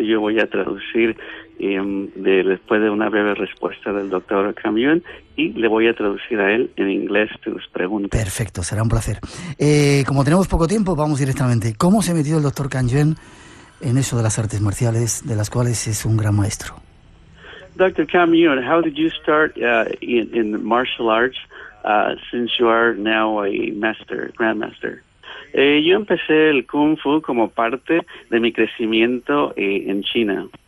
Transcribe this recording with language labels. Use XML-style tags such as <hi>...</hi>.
<es>Yo voy a traducir después de una breve respuesta del doctor Can Yuen, y le voy a traducir a él en inglés tus preguntas. Perfecto, será un placer. Como tenemos poco tiempo, vamos directamente. ¿Cómo se ha metido el doctor Can Yuen en eso de las artes marciales, de las cuales es un gran maestro?</es> <en>Dr. Can Yuen, how did you start in martial arts since you are now a master, grandmaster?</en> <es>Yo empecé el Kung Fu como parte de mi crecimiento en China.</es>